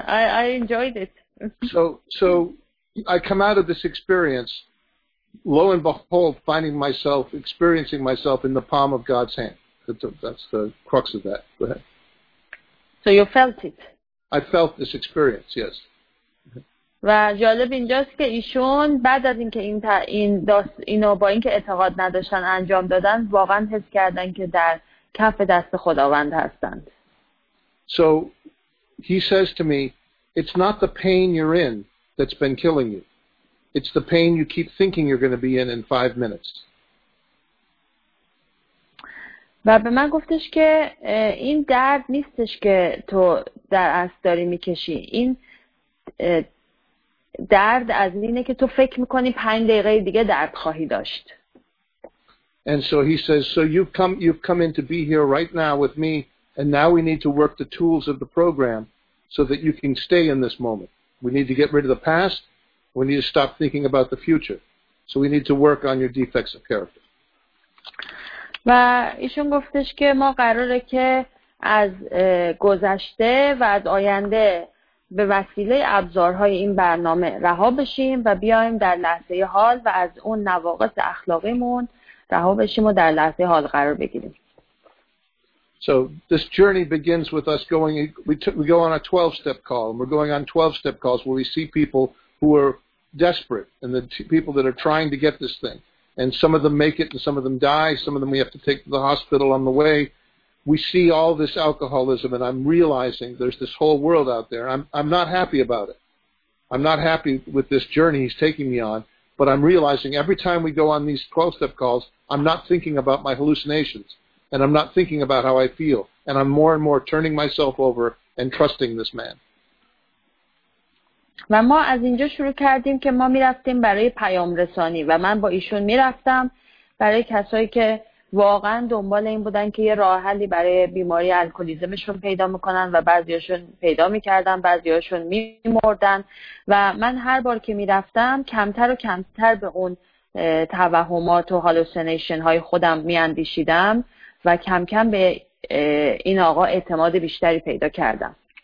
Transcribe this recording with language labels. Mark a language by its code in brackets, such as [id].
[en] I enjoyed it. So I come out of this experience, lo and behold, finding myself, experiencing myself in the palm of God's hand. That's the crux of that. Go ahead. So you felt it? I felt this experience, yes. [fa] و جالب اینجاست که ایشون بعد از اینکه اینو با اینکه اعتقاد نداشتن انجام دادن واقعا حس کردن که در کف دست خداوند هستند. [en] So he says to me, it's not the pain you're in that's been killing you. It's the pain you keep thinking you're going to be in 5 minutes. [fa] و به من گفتش که این درد نیستش که تو در اصل داری میکشی. این درد از اینه که تو فکر میکنی 5 دقیقه دیگه درد خواهی داشت. [en] And so he says, so you've come in to be here right now with me, and now we need to work the tools of the program so that you can stay in this moment. We need to get rid of the past. We need to stop thinking about the future. So we need to work on your defects of character. [fa] و ایشون گفتش که ما قراره که از گذشته و از آینده به وسیله ابزارهای این برنامه رها بشیم و بیایم در لحظه حال و از اون نواقص اخلاقیمون رها بشیم و در لحظه حال قرار بگیریم. [en] So this journey begins with us going, we go on a 12-step call, and we're going on 12-step calls where we see people who are desperate and the people that are trying to get this thing. And some of them make it and some of them die. Some of them we have to take to the hospital on the way. We see all this alcoholism, and I'm realizing there's this whole world out there. I'm not happy about it. I'm not happy with this journey he's taking me on, but I'm realizing every time we go on these 12-step calls, I'm not thinking about my hallucinations. And I'm not thinking about how I feel. And I'm more and more turning myself over and trusting this man. [fa] و ما از اینجا شروع کردیم که ما میرفتیم برای پیام رسانی و من با ایشون میرفتم برای کسایی که واقعا دنبال این بودن که یه راه حلی برای بیماری الکلیزمشون پیدا میکنن و بعضیاشون پیدا میکردن بعضیاشون میمردن و من هر بار که میرفتم کمتر و کمتر به اون توهمات و هالوسینیشن های خودم میاندیشیدم و کم کم به این آقا اعتماد بیشتری پیدا کردم.